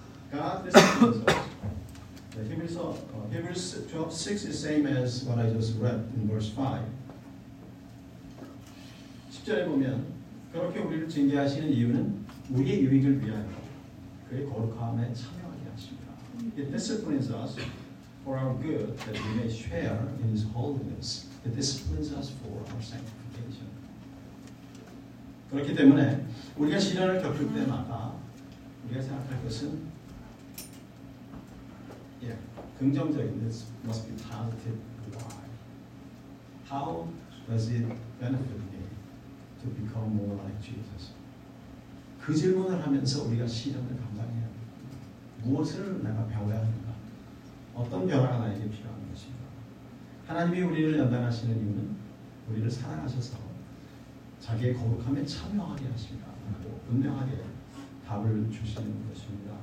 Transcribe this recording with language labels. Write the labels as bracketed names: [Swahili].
[English] God disciplines us. [Korean] 네, 히브리서 히브리서 [English] 12, 6 is same as what I just read in verse 5. [Korean] 10절에 보면 그렇게 우리를 징계하시는 이유는 우리의 유익을 위하여 그의 거룩함에 참여하게 하십니다. [English] He disciplines us for our good that we may share in his holiness. He disciplines us for our sanctification. [Korean] 그렇기 때문에 우리가 시련을 겪을 때마다 우리가 생각할 것은 [English] yeah, [Korean] 긍정적인 [English] this must be positive. Why? How does it benefit me to become more like Jesus? [Korean] 그 질문을 하면서 우리가 시련을 감당해야 합니다. 무엇을 내가 배워야 하는가? 어떤 변화가 나에게 필요한 것인가. 하나님이 우리를 연단하시는 이유는 우리를 사랑하셔서 자기의 거룩함에 참여하게 하십니다. 라고 분명하게 답을 주시는 것입니다.